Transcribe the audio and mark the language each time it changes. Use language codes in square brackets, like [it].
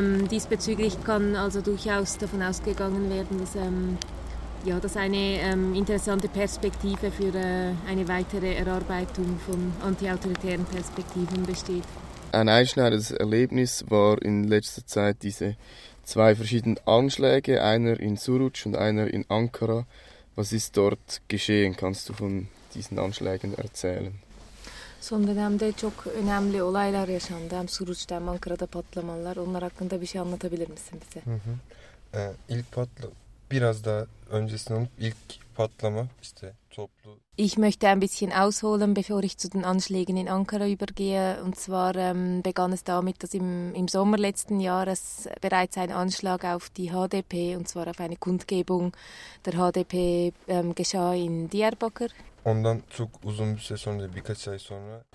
[de] Diesbezüglich kann also durchaus davon ausgegangen werden, dass das eine interessante Perspektive für eine weitere Erarbeitung von antiautoritären Perspektiven besteht. Ein einschneidendes Erlebnis war in letzter Zeit diese zwei verschiedenen Anschläge, einer in Suruç und einer in Ankara. Was ist dort geschehen? Kannst du von diesen Anschlägen erzählen? [tr] Son dönemde çok önemli olaylar yaşandı. Hem Suruç'ta hem Ankara'da patlamalar. Onlar hakkında bir şey anlatabilir misin bize? Hı hı. Biraz daha öncesinde olup ilk patlama işte toplu. [de] Ich möchte ein bisschen ausholen, bevor ich zu den Anschlägen in Ankara übergehe. Und zwar begann es damit, dass im Sommer letzten Jahres bereits ein Anschlag auf die HDP, und zwar auf eine Kundgebung der HDP, geschah in Diyarbakır. [tr] Ondan çok uzun bir süre sonra, birkaç ay sonra.